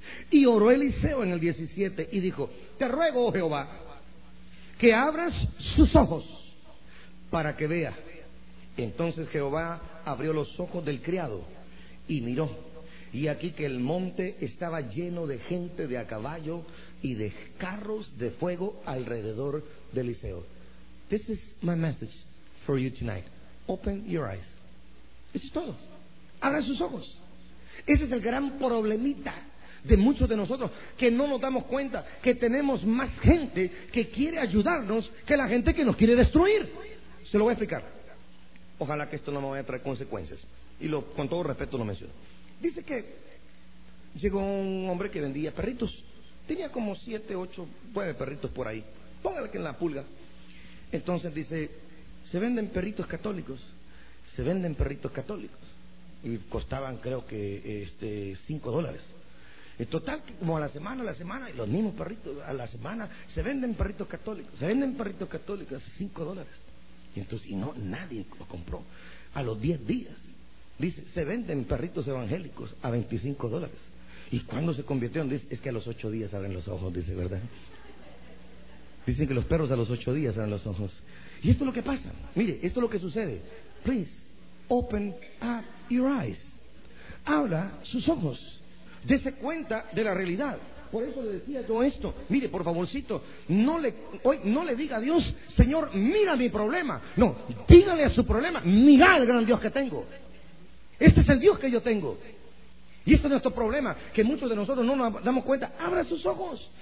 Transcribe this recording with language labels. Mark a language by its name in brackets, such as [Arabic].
[Spanish] Y oró Eliseo en el 17 y dijo: te ruego, oh Jehová, que abras sus ojos para que vea. Entonces Jehová abrió los ojos del criado y miró. Y aquí que el monte estaba lleno de gente de a caballo y de carros de fuego alrededor de Eliseo. [English] This is my message for you tonight. Open your eyes. [Spanish] Eso es todo. Abran sus ojos. Ese es el gran problemita de muchos de nosotros, que no nos damos cuenta que tenemos más gente que quiere ayudarnos que la gente que nos quiere destruir. Se lo voy a explicar. Ojalá que esto no me vaya a traer consecuencias. Y con todo respeto lo menciono. Dice que llegó un hombre que vendía perritos. Tenía como 7, 8, 9 perritos por ahí. Póngale que en la pulga. Entonces dice: se venden perritos católicos. Se venden perritos católicos. Y costaban, creo que, $5. En total, como a la semana, y los mismos perritos, a la semana, se venden perritos católicos. Se venden perritos católicos, $5. Y no, nadie lo compró. A los 10 días. Dice: se venden perritos evangélicos a $25. ¿Y cuándo se convirtieron? Dice: es que a los 8 días abren los ojos, dice, ¿verdad? Dicen que los perros a los 8 días abren los ojos. Y esto es lo que pasa. Mire, esto es lo que sucede. [English] Please, open up your eyes. [Spanish] Abra sus ojos. Dese cuenta de la realidad. Por eso le decía yo esto. Mire, por favorcito, no le diga a Dios: Señor, mira mi problema. No, dígale a su problema: mira el gran Dios que tengo. Este es el Dios que yo tengo. Y este es nuestro problema, que muchos de nosotros no nos damos cuenta. Abra sus ojos.